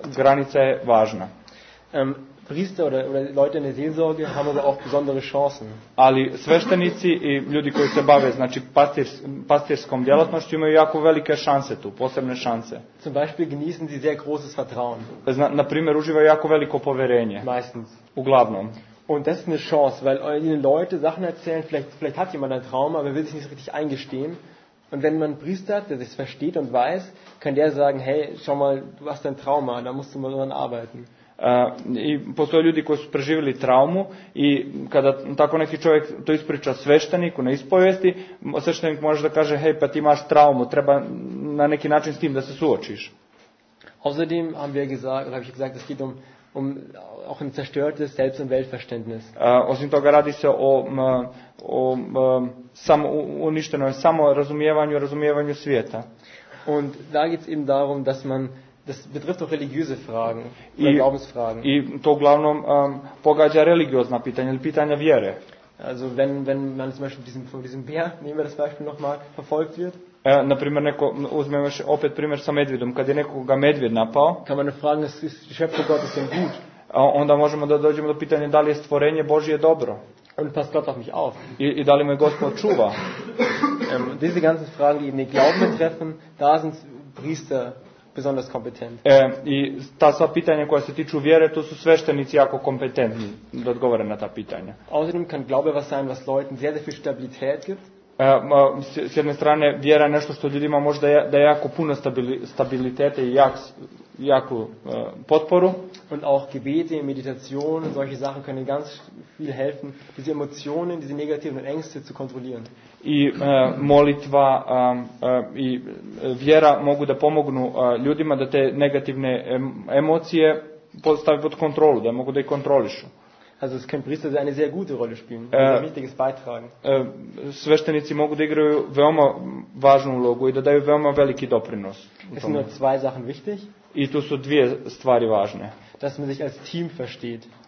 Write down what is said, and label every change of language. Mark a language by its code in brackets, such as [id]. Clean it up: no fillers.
[sr] Granica je važna. [de] Priester oder Leute in der Seelsorge haben aber auch besondere Chancen. [sr] Ali sveštenici i ljudi koji se bave, znači pastirskom djelatnošću, imaju jako velike šanse tu, posebne šanse. [de] Zum Beispiel genießen sie sehr großes Vertrauen. [sr] Na primjer, uživaju jako veliko povjerenje. [de] Meistens. [sr] Uglavnom. [de] Und das ist eine Chance, weil ihnen Leute Sachen erzählen, vielleicht hat jemand ein Trauma, aber will sich nicht richtig eingestehen. Und wenn man Priester hat, der das versteht und weiß, kann der sagen, hey, schau mal, du hast ein Trauma, da musst du mal dran arbeiten. [sr] I postoje ljudi koji su preživjeli traumu i kada tako neki čovjek to ispriča svešteniku na ispovijesti, sveštenik može da kaže, hej, pa ti imaš traumu, treba na neki način s tim da se suočiš. [de] Außerdem haben wir gesagt, oder habe ich gesagt, es geht um auch ein zerstörtes Selbst- und Weltverständnis. [sr] Osim toga radi se o uništenom samorazumijevanju, razumijevanju svijeta. [de] Und da geht es eben darum, dass man. Das betrifft auch religiöse Fragen oder Glaubensfragen. [sr] I to uglavnom pogađa religiozna pitanja ili pitanja vjere. [de] Also wenn man zum Beispiel von diesem Bär, nehmen wir das Beispiel nochmal, verfolgt wird. [sr] Na primjer, neko, uzmem još opet primjer sa medvjedom. Kad je nekoga medvjed napao. [de] Kann man fragen, ist die Schöpfung Gottes denn gut? [sr] Onda možemo da dođemo do pitanja da li je stvorenje Božje dobro. [de] Und passt Gott auf mich auf? [sr] I da li me Gospod čuva? [de] Diese ganzen Fragen, die den Glauben betreffen, da sind Priester besonders kompetent. [sr] I ta sva pitanja koja se tiču vjere, to su sveštenici jako kompetentni da odgovore na ta pitanja. [de] Außerdem kann Glaube was sein, was Leuten sehr, sehr viel Stabilität gibt. [sr] S jedne strane, vjera je nešto što ljudima može da je jako puno stabilitete i jaku potporu. [de] Und auch Gebete, Meditation, solche Sachen können ganz viel helfen, diese Emotionen, diese negativen Ängste zu kontrollieren. [sr] I molitva i vjera mogu da pomognu ljudima da te negativne emocije postave pod kontrolu, da mogu da ih kontrolišu. [de] Also es können Priester eine sehr gute Rolle spielen, ein wichtiges beitragen. [sr] Sveštenici mogu da igraju veoma važnu ulogu i da daju veoma veliki doprinos. [de] Es sind nur zwei Sachen wichtig. [sr] I tu su dvije stvari važne. [de] Dass man sich als Team versteht.